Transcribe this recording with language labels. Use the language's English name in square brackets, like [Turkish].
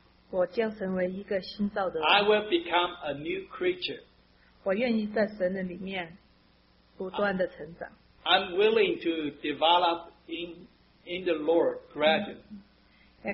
[Chinese] 我将成为一个新造的人。 [English] I will become a new creature. [Chinese] 我愿意在神的里面不断的成长。 [English] I'm willing to develop in the Lord gradually.